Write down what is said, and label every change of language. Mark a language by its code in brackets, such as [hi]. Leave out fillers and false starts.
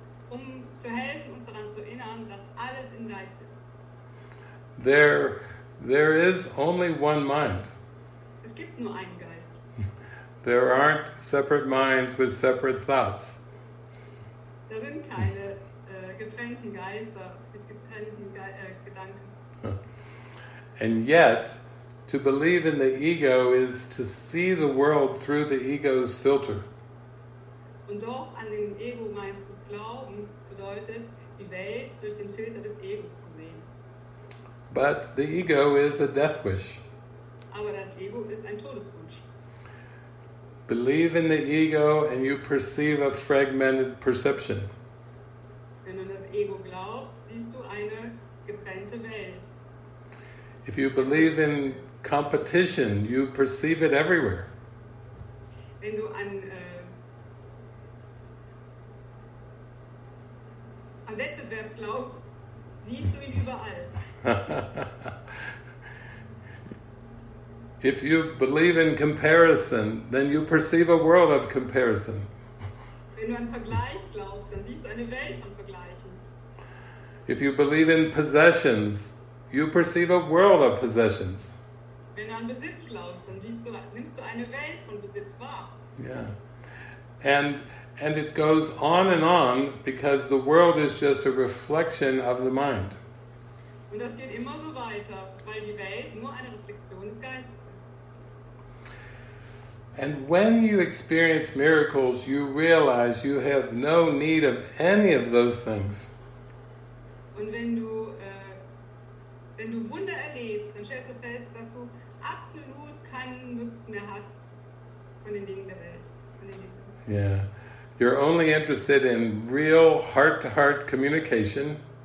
[de] Um zu helfen, uns daran zu erinnern, dass alles im Geist ist. [en] There is only one mind. [de] Es gibt nur einen Geist. [en] There aren't separate minds with separate thoughts. [de] Da sind keine getrennten Geister mit getrennten Gedanken. [en] And yet, to believe in the ego is to see the world through the ego's filter. [de] Und doch an den Ego-Mind zu glauben, bedeutet, die Welt durch den Filter des Egos zu sehen. [en] But the ego is a death wish. [de] Aber das Ego ist ein Todeswunsch. [en] Believe in the ego and you perceive a fragmented perception. [de] Wenn du an das Ego glaubst, siehst du eine getrennte Welt. [en] If you believe in competition, you perceive it everywhere. [de] Wenn du an Wettbewerb glaubst, siehst du ihn überall. [en] If you believe in comparison, then you perceive a world of comparison. [de] Wenn du an Vergleich glaubst, dann siehst du eine Welt von Vergleichen. [en] If you believe in possessions, you perceive a world of possessions. [de] Wenn du an Besitz glaubst, dann siehst du, nimmst du eine Welt von Besitz wahr. [en] Yeah. And it goes on and on, because the world is just a reflection of the mind. [de] Und das geht immer so weiter, weil die Welt nur eine Reflexion des Geistes. [en] And when you experience miracles, you realize you have no need of any of those things. [de] Und wenn du Wunder erlebst, dann stellst du fest, dass du absolut keinen Nutzen mehr hast von den Dingen der Welt. [en] Yeah. You're only interested in real heart-to-heart communication.